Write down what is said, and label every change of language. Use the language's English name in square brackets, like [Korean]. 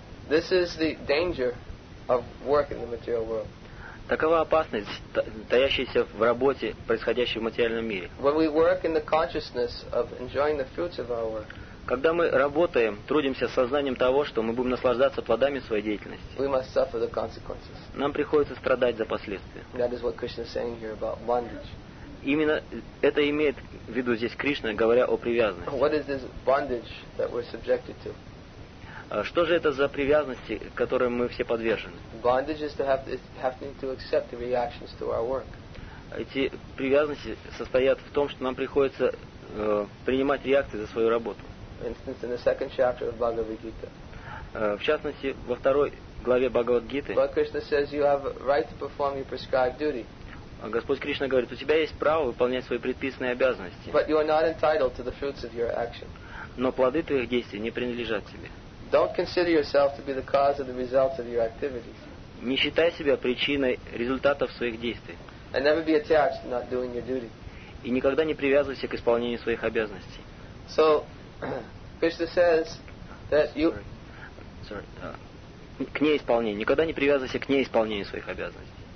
[English] This is the danger of work in the material world. [Russian] Такова опасность, таящаяся в работе, происходящей в материальном мире. [English] When we work in the consciousness of enjoying the fruits of our work. [Russian] Когда мы работаем, трудимся с сознанием того, что мы будем наслаждаться плодами своей деятельности, [English] we must suffer the consequences. [Russian] Нам приходится страдать за последствия. [English] That is what Krishna is saying here about bondage. [Russian] Именно это имеет в виду здесь Кришна, говоря о привязанности. [English] What is this bondage that we're subjected to? [Russian] Что же это за привязанности, которым мы все подвержены? [English] Bondage is to have to accept the reactions to our work. [Russian] Эти привязанности состоят в том, что нам приходится принимать реакции за свою работу. [English] Instance, in the second chapter of Bhagavad Gita. [Russian] В частности, во второй главе Бхагавад Гиты. [English] Lord Krishna says you have a right to perform your prescribed duty. [Russian] Господь Кришна говорит, у тебя есть право выполнять свои предписанные обязанности. [English] But you are not entitled to the fruits of your action. [Russian] Но плоды твоих действий не принадлежат тебе. [English] Don't consider yourself to be the cause of the results of your activities. [Russian] Не считай себя причиной результатов своих действий. [English] And never be attached to not doing your duty. [Russian] И никогда не привязывайся к исполнению своих обязанностей. [English] So Krishna says that you. [Russian] К неисполнению. Никогда не привязывайся к неисполнению своих обязанностей.